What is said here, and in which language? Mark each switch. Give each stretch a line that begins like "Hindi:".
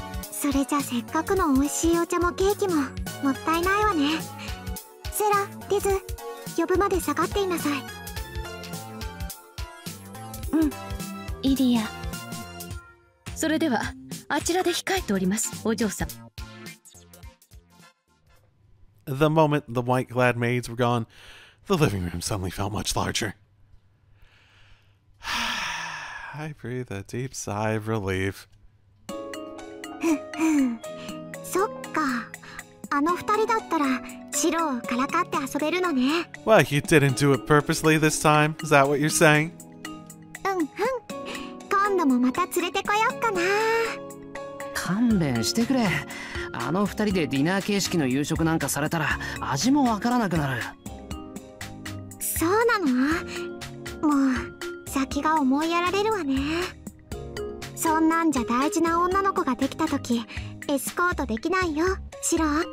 Japanese: それじゃせっかくの美味しいお茶もケーキももったいないわね。セラ、リズ、呼ぶまで下がっていなさい。うん、イリア。それではあちらで控えております、お嬢さん。
English: The moment the white clad maids were gone, the living room suddenly felt much larger. I breathe a deep sigh of relief.
Japanese: そっか、あの二人だったらシロをからかって遊べるのね。
English: Well, you didn't do it purposely this time, is that what you're saying?
Japanese: うんうん、今度もまた連れてこよっかな。勘弁してくれ、あの二人でディナー形式の夕食なんかされたら味もわからなくなる。そうなの？もう先が思いやられるわね。そんなんじゃ大事な女の子ができた時エスコートできないよ、シロ。